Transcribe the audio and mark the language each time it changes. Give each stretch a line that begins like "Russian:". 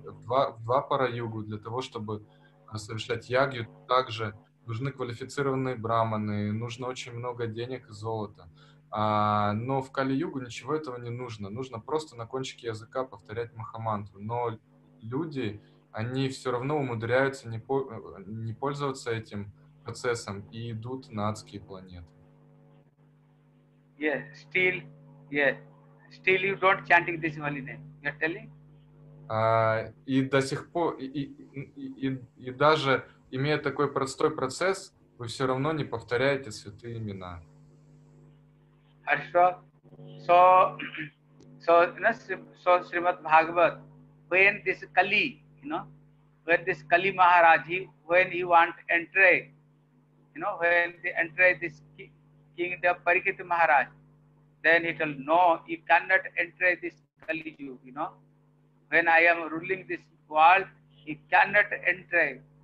Russian: В Двапара-югу для того, чтобы совершать ягью, также нужны квалифицированные браманы, нужно очень много денег и золота. Но в Кали-югу ничего этого не нужно. Нужно просто на кончике языка повторять Махамантру. Но люди, они все равно умудряются не пользоваться этим процессом и идут на адские планеты.
English: Yeah, still you don't chanting this holy name. You're telling?
Russian: И до сих пор, и даже имея такой простой процесс, вы все равно не повторяете святые имена. Хорошо.
English: So, Srimad Bhagavat, when this Kali, when this Kali Maharaji, when he want enter, when they enter this king, the Parikrit Maharaj, then he tell, no, you cannot enter this Kali Yuga, When I am ruling this world, he cannot enter.